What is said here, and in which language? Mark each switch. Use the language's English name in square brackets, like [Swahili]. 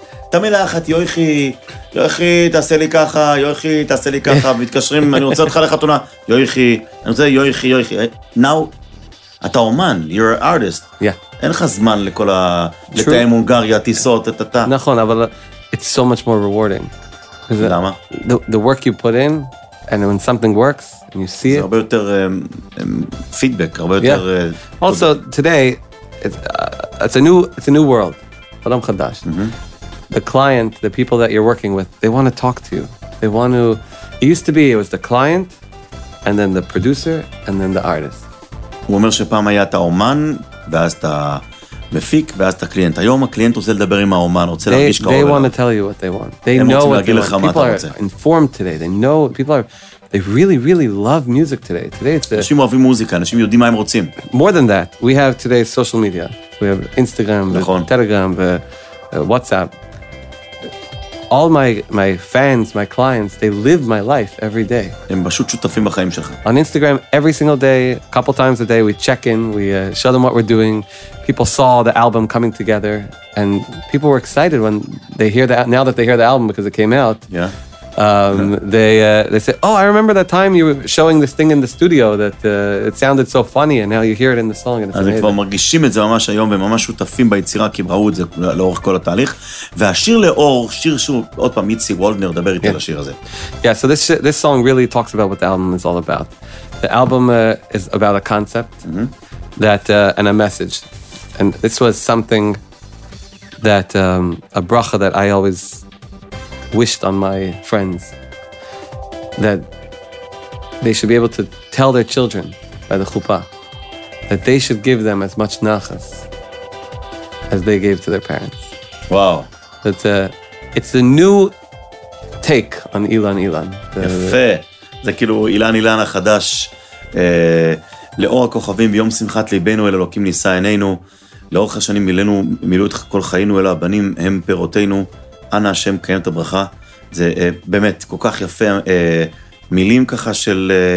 [Hebrew] תמיד לאחת, יויחי, יויחי, תעשה לי ככה, יויחי, תעשה לי ככה, מתקשרים, אני רוצה אותך לחתונה, יויחי, אני רוצה יויחי, יויחי. [English] Now, [Hebrew] אתה אומן, [English] you're an artist. [Hebrew] אין לך זמן לכל ה... לתאם הונגריה, טיסות, תתתה. נכון, אבל [English] it's so much more rewarding. [Hebrew] למה? [English] The work you put in, and when something works, and you see it. [Hebrew] זה הרבה יותר פידבק, הרבה יותר... [English] Also, today, it's a new world, [Hebrew] עולם חדש. [English] The client, the people that you're working with, they want to talk to you. They want to... It used to be, it was the client, and then the producer, and then the artist. [Hebrew] הוא אומר שפעם היה את האומן, ואז את המפיק, ואז את הקליינט. היום הקליינט רוצה לדבר עם האומן, רוצה להרגיש כאור. [English] They want to tell you what they want. They know what they want. People are informed today. They know... People are... They really, really love music today. Today it's the... [Hebrew] אנשים אוהבים מוזיקה, אנשים יודעים מה הם רוצים. [English] More than that, we have today's social media. We have Instagram, Telegram, WhatsApp. All my fans, my clients, they live my life every day. [Hebrew] הם פשוט שותפים בחיים שלך. [English] On Instagram, every single day, a couple times a day, we check in, we show them what we're doing. People saw the album coming together, and people were excited when they hear that, now that they hear the album because it came out. They say, oh, I remember that time you were showing this thing in the studio that it sounded so funny, and now you hear it in the song, and it's amazing. [Hebrew] אז הם כבר מרגישים את זה ממש היום, והם ממש שותפים ביצירה, כי הם ראו את זה לאורך כל התהליך. והשיר לאור, שיר שהוא, עוד פעם, מיצי וולדנר, דבר איתי על השיר הזה. [English] Yeah, so this song really talks about what the album is all about. The album is about a concept and a message. And this was something that, a bracha that I always... wished on my friends that they should be able to tell their children by the chuppah that they should give them as much nachas as they gave to their parents. Wow. That's it's a new take on Ilan Ilan. [Hebrew] יפה. זה כאילו אילן אילן החדש, לאור הכוכבים ביום שמחת ליבנו אל אלוקים נישא עינינו, לאורך השנים מילאו אותך כל חיינו אל הבנים הם פירותינו, אנא השם קיים את הברכה. זה באמת כל כך יפה, מילים ככה של